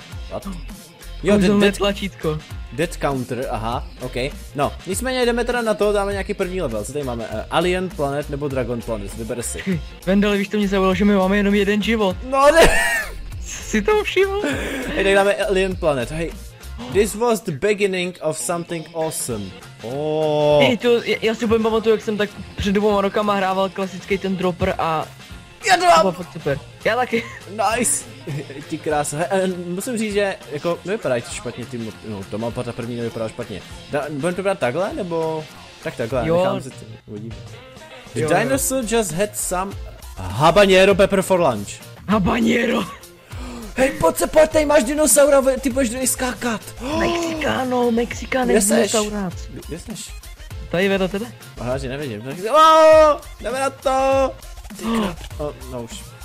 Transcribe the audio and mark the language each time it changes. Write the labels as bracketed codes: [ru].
[en] What? [cs] Jo, tlačítko. [en] Dead counter, aha, ok. [cs] No, nicméně jdeme teda na to, dáme nějaký první level. Co tady máme? Alien Planet nebo Dragon Planet, vyber si. Vendel, víš, to mě zavolalo, že my máme jenom jeden život. No ne! Jsi to všiml? Hej, tady dáme Alien Planet, hej. [en] This was the beginning of something awesome. Oh. [cs] Hej, to, já si úplně pamatuju, jak jsem tak před dvouma rokama hrával klasický ten dropper a... Já to mám! Bylo fakt super. Já taky. [en] Nice! [cs] Ti krása, musím říct, že jako nevypadá ti špatně ty mod, no to mapa ta první nevypadá špatně. Budeme to brát takhle, nebo tak takhle, jo. Nechám se to uvidím. [en] The dinosaur just had some habanero pepper for lunch. [es] Habanero! [cs] Hej, pojď se, pojď, tady máš dinosaura, ty budeš do něj skákat. Mexikáno, Mexikáno, dinosaura. Kde seš? Tady vedle tebe. Aha, že nevidím, tak jsi, ooo, jdeme na to. Ty krap, no už.